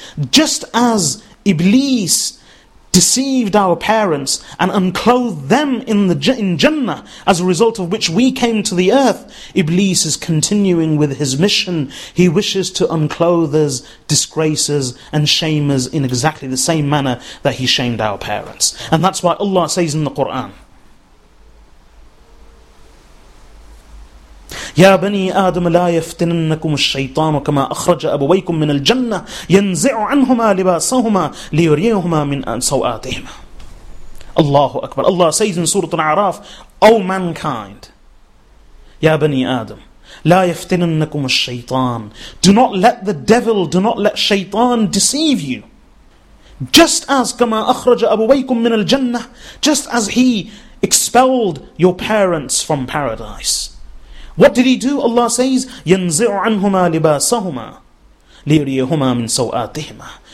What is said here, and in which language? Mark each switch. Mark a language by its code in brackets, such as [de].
[en] Just as Iblis deceived our parents and unclothed them in Jannah, as a result of which we came to the earth, Iblis is continuing with his mission. He wishes to unclothe us, disgrace us, and shame us in exactly the same manner that he shamed our parents. And that's why Allah says in the Quran, [ar] يَا بَنِي آدَمَ لَا يَفْتِنَنَّكُمُ الشَّيْطَانُ كَمَا أَخْرَجَ أَبَوَيْكُمْ مِنَ الْجَنَّةِ يَنْزِعُ عَنْهُمَا لِبَاسَهُمَا لِيُرِيَهُمَا مِنْ سَوْآتِهِمَا. Allahu Akbar. [en] Allah says in Surah Al-A'raf, O mankind, [ar] يَا بَنِي آدَمَ لَا يَفْتِنَنَّكُمُ الشَّيْطَانُ. [en] Do not let the devil, do not let shaitan deceive you. Just as [ar] كَمَا أَخْرَجَ أَبَوَيْكُمْ مِنَ الْجَنَّةِ, [en] just as he expelled your parents from paradise. What did he do? Allah says, [ar] يَنْزِعُ عَنْهُمَا لِبَاسَهُمَا لِيُرِيَهُمَا مِنْ سَوْآتِهِمَا.